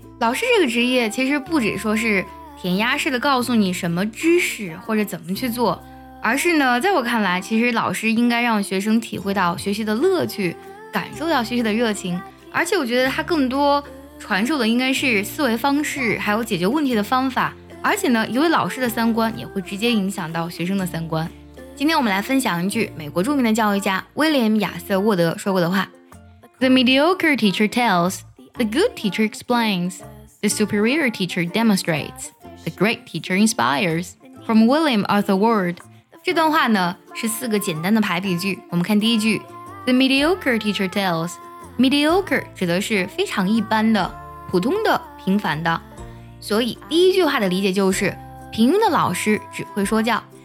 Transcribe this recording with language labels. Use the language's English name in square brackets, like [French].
[Chinese] 老师这个职业其实不只说是填鸭式的告诉你什么知识或者怎么去做，而是呢在我看来，其实老师应该让学生体会到学习的乐趣，感受到学习的热情，而且我觉得他更多传授的应该是思维方式还有解决问题的方法。而且呢一位老师的三观也会直接影响到学生的三观。今天我们来分享一句美国著名的教育家威廉·亚瑟·沃德说过的话。 [English] The mediocre teacher tells, the good teacher explains, the superior teacher demonstrates, the great teacher inspires. From William Arthur Ward。 [Chinese] 这段话呢是四个简单的排比句。我们看第一句， [English] The mediocre teacher tells。 [Chinese] Mediocre 指的是非常一般的，普通的，平凡的。所以第一句话的理解就是平庸的老师只会说教。